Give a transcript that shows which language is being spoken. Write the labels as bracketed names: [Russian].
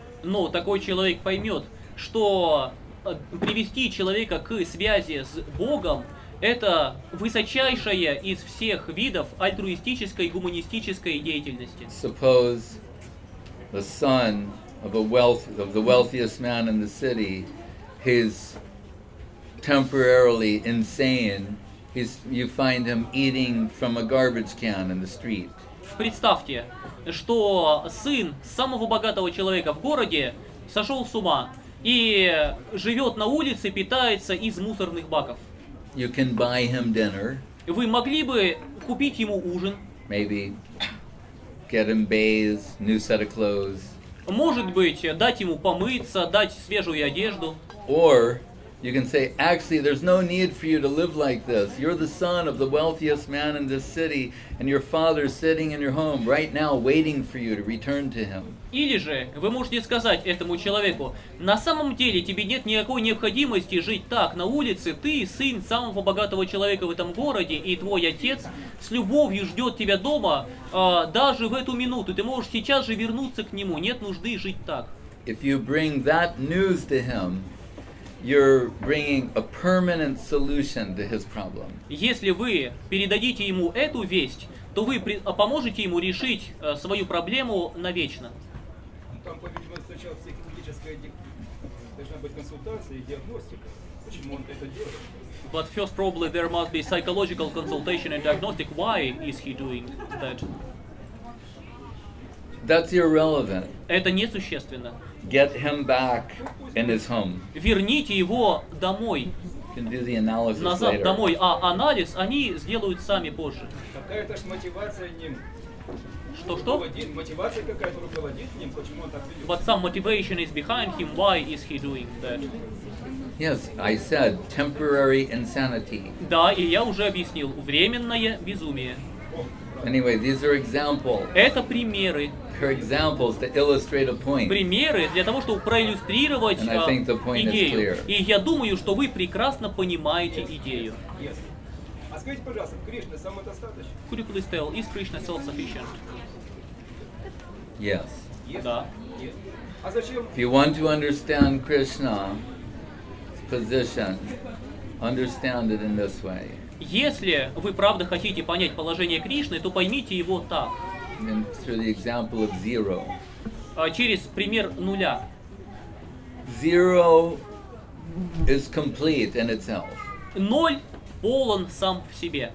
[Russian] Но такой человек поймет, что привести человека к связи с Богом – это высочайшее из всех видов альтруистической, гуманистической деятельности. [English] Suppose the son of the wealthiest man in the city, he's temporarily insane. You find him eating from a garbage can in the street. [Russian] Представьте, что сын самого богатого человека в городе сошел с ума и живет на улице, питается из мусорных баков. [English] You can buy him dinner. [Russian] Вы могли бы купить ему ужин. [English] Maybe get him bathed, new set of clothes. [Russian] Может быть, дать ему помыться, дать свежую одежду. [English] Or you can say, actually, there's no need for you to live like this. You're the son of the wealthiest man in this city, and your father's sitting in your home right now waiting for you to return to him. [Russian] Или же вы можете сказать этому человеку, на самом деле тебе нет никакой необходимости жить так на улице. Ты сын самого богатого человека в этом городе, и твой отец с любовью ждет тебя дома даже в эту минуту. Ты можешь сейчас же вернуться к нему. Нет нужды жить так. [English] If you bring that news to him, you're bringing a permanent solution to his problem. [Russian] Если вы передадите ему эту весть, то вы поможете ему решить свою проблему навечно. Там, по-видимому, сначала психологическая должна быть консультация и диагностика. Почему он это делает? [English] But first probably there must be psychological consultation and diagnostic. Why is he doing that? That's irrelevant. [Russian] Это несущественно. [English] Get him back in his home. [Russian] Верните его домой. [English] Can do the analysis [Russian] назад [English] later. [Russian] Домой, а анализ они сделают сами позже. Какая-то же мотивация ним. Что-что? Мотивация какая-то руководит ним, почему он так ведет. [English] But some motivation is behind him, why is he doing that? Yes, I said temporary insanity. [Russian] Да, и я уже объяснил, временное безумие. [English] Anyway, these are examples. [Russian] Это примеры. [English] They're examples to illustrate a point. [Russian] Примеры для того, чтобы проиллюстрировать идею. [English] And I think the point [Russian] идею. [English] Is clear. [Russian] И я думаю, что вы прекрасно понимаете [English] yes, [Russian] идею. [English] Yes. [Russian] А скажите, пожалуйста, Кришна самодостаточен? [English] Could you please tell, is Krishna self-sufficient? Yes. Yes. [Russian] Да. А зачем? [English] If you want to understand Krishna's position, understand it in this way. [Russian] Если вы правда хотите понять положение Кришны, то поймите его так. [English] Through the example of zero. [Russian] Через пример нуля. [English] Zero is complete in itself. [Russian] Ноль полон сам в себе.